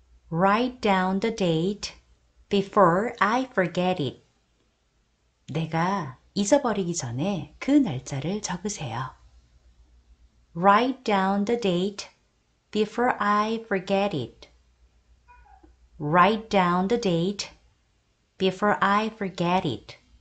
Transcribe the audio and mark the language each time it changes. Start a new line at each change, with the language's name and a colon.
English: Write down the date before I forget it.
Korean: 내가 잊어버리기 전에 그 날짜를 적으세요.
English: Write down the date before I forget it. Write down the date before I forget it.